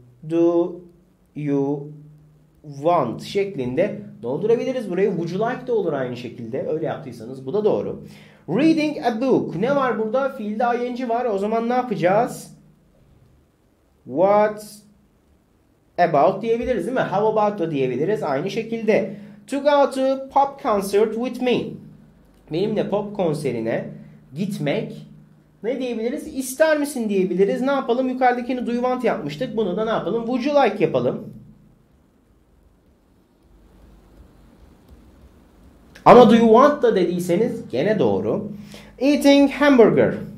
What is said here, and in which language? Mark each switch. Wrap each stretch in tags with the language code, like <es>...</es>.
<en>Do you want</en> <tr>şeklinde doldurabiliriz burayı.</tr> <en>Would you like</en> <tr>de olur aynı şekilde. Öyle yaptıysanız bu da doğru.</tr> <en>Reading a book.</en> <tr>Ne var burada? Fiilde ing var. O zaman ne yapacağız?</tr> <en>What about</en> <tr>diyebiliriz değil mi?</tr> <en>How about</en> <tr>da diyebiliriz aynı şekilde.</tr> <en>To go to pop concert with me.</en> <tr>Benimle pop konserine gitmek. Ne diyebiliriz? İster misin diyebiliriz. Ne yapalım? Yukarıdakini</tr> <en>do you want</en> <tr>yapmıştık. Bunu da ne yapalım?</tr> <en>Would you like</en> <tr>yapalım. Ama</tr> <en>do you want</en> <tr>da dediyseniz gene doğru.</tr> <en>Eating hamburger.</en>